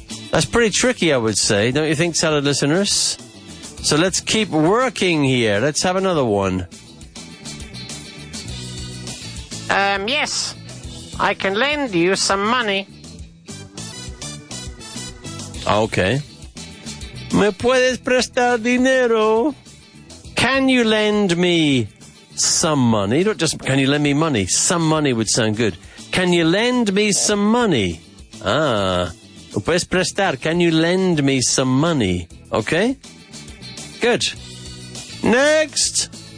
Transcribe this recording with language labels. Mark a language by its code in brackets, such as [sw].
[en] That's pretty tricky, I would say. Don't you think, salad listeners? So let's keep working here. Let's have another one. Yes. I can lend you some money. Okay. [es] ¿Me puedes prestar dinero? [en] Can you lend me some money? Not just, can you lend me money? Some money would sound good. Can you lend me some money? [es] ¿Me puedes prestar? [en] Can you lend me some money? Okay. Good. Next.